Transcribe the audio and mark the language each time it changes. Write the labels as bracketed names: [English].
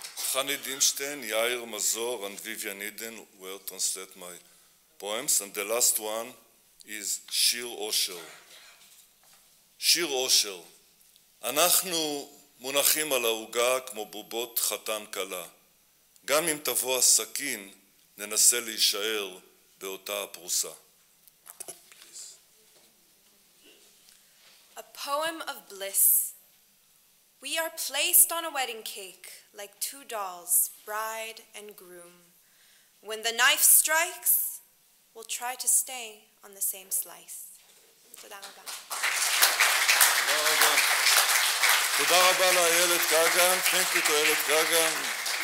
[English] Chani Dinstein, Yair Mazor, and Vivian Eden will translate my poems, and the last one is Shir Osher. [Hebrew] Shir Osher. אנחנו מונחים על העוגה כמו בובות חתן קלה. גם אם תבוא הסכין, ננסה להישאר באותה הפרוסה. [English] A poem of bliss. We are placed on a wedding cake like two dolls, bride and groom. When the knife strikes, we'll try to stay on the same slice. [Hebrew] תודה רבה. תודה רבה לאיילת גגן, תודה רבה לאיילת גגן.